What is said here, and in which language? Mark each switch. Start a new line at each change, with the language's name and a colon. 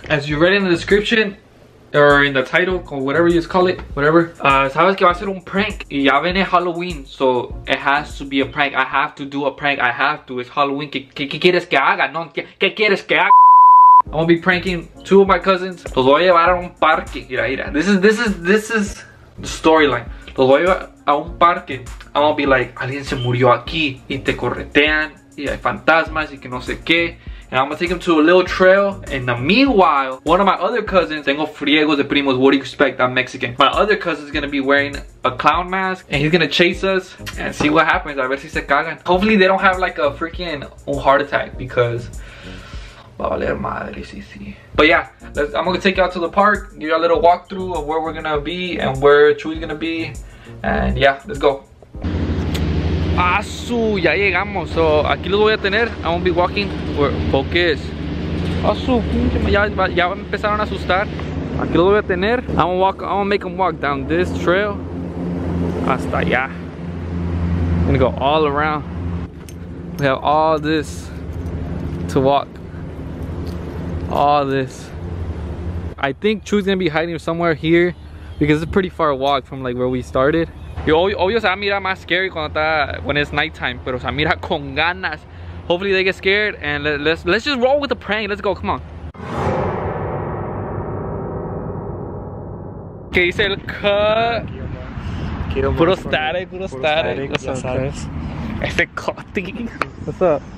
English: As you read in the description, or in the title, or whatever you just call it, whatever.
Spanish: Sabes que va a ser un prank. Y ya viene Halloween,
English: so it has to be a prank. I have to do a prank. I have to. It's Halloween.
Spanish: ¿Qué quieres que haga? No, ¿qué quieres que haga?
English: I'm gonna be pranking two of my cousins.
Spanish: Los voy a llevar a un parque. Mira, mira.
English: This is the storyline.
Spanish: Los voy a llevar a un parque.
English: I'm gonna be like,
Spanish: alguien se murió aquí. Y te corretean. Y hay fantasmas y que no sé qué.
English: And I'm gonna take him to a little trail. And the meanwhile, one of my other cousins,
Spanish: tengo friegos de primos.
English: What do you expect? I'm Mexican. My other cousin's gonna be wearing a clown mask. And he's gonna chase us and see what happens.
Spanish: A ver si se cagan.
English: Hopefully they don't have like a freaking heart attack, because
Spanish: va a valer madre, sí.
English: But yeah, I'm gonna take you out to the park, give you a little walkthrough of where we're gonna be and where Chuy's gonna be. And yeah, let's go.
Spanish: Asu, ya llegamos. So, aquí los voy a tener.
English: I'm gonna be walking. Focus.
Spanish: Asu, ya empezaron a asustar. Aquí los voy a tener.
English: I'm gonna make them walk down this trail.
Spanish: Hasta allá.
English: I'm gonna go all around. We have all this to walk. All this. I think Chuy's gonna be hiding somewhere here, because it's a pretty far walk from like where we started.
Spanish: Yo, obvio se va a mirar más scary
English: when it's nighttime,
Spanish: pero se mira con ganas.
English: Hopefully they get scared and let's just roll with the prank. Let's go, come on.
Spanish: ¿Qué dice el cut? Puro static. Ya sabes. Este cutting.
English: What's up?